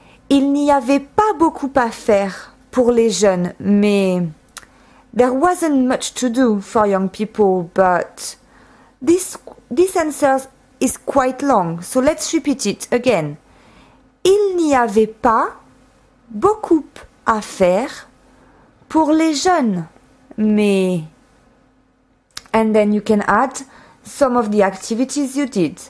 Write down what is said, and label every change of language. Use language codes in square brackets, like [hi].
[fr] Il n'y avait pas beaucoup à faire pour les jeunes, mais... [en] There wasn't much to do for young people, but... This answer is quite long, so let's repeat it again. [fr] Il n'y avait pas beaucoup à faire pour les jeunes, mais... [en] And then you can add some of the activities you did.